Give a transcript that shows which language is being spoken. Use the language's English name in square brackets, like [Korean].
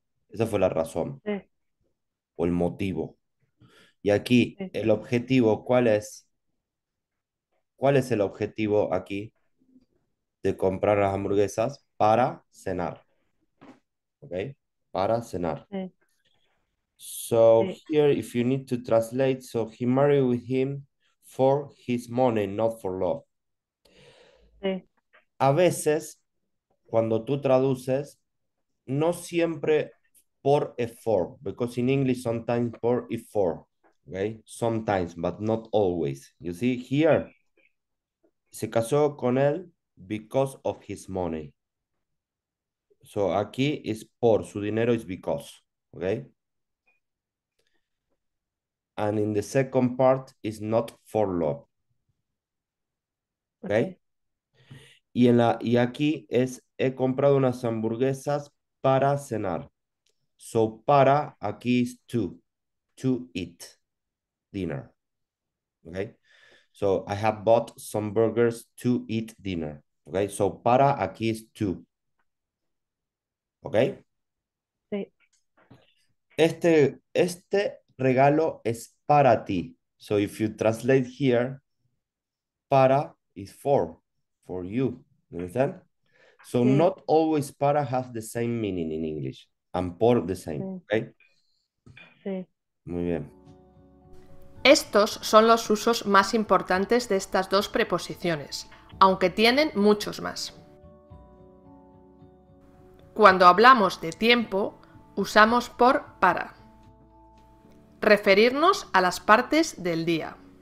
[Spanish] Esa fue la razón o el motivo. Y aquí, el objetivo, ¿cuál es? ¿Cuál es el objetivo aquí de comprar las hamburguesas para cenar? ¿Ok? Para cenar. So Sí. [English] here, if you need to translate, so he married with him for his money, not for love. [Spanish] A veces, cuando tú traduces, no siempre por y for, [English] because in English sometimes [Spanish] por y for. ¿Ok? [English] Sometimes, but not always. You see here. [Spanish] Se casó con él [English] because of his money. [Spanish] So aquí es por su dinero, es because. ¿Ok? [English] And in the second part is not for love. Okay. Okay. [Spanish] Y aquí es, he comprado unas hamburguesas para cenar. [English] So para, [Spanish] aquí es [English] to eat, dinner. Okay. So I have bought some burgers to eat dinner. Okay. So para, [Spanish] aquí es [English] to. Okay. [Spanish] Este regalo es para ti. [English] So if you translate here, para is for you. You understand? So [Spanish] Sí. [English] not always para has the same meaning in English. And por the same. Okay. [Spanish] Sí. Muy bien. Estos son los usos más importantes de estas dos preposiciones, aunque tienen muchos más. Cuando hablamos de tiempo, usamos por para referirnos a las partes del día.